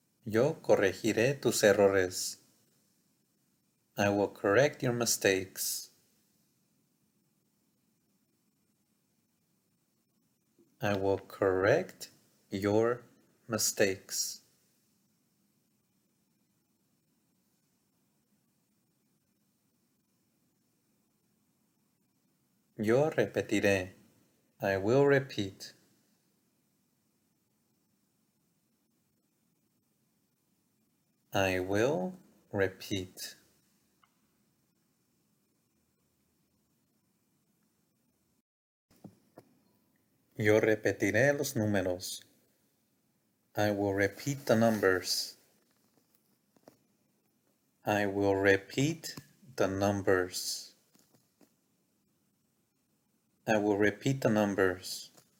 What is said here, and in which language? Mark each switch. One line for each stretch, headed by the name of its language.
Spanish: Yo corregiré tus errores.
English: I will correct your mistakes. I will correct your mistakes.
Spanish: Yo repetiré.
English: I will repeat. I will repeat.
Spanish: Yo repetiré los números.
English: I will repeat the numbers. I will repeat the numbers. I will repeat the numbers.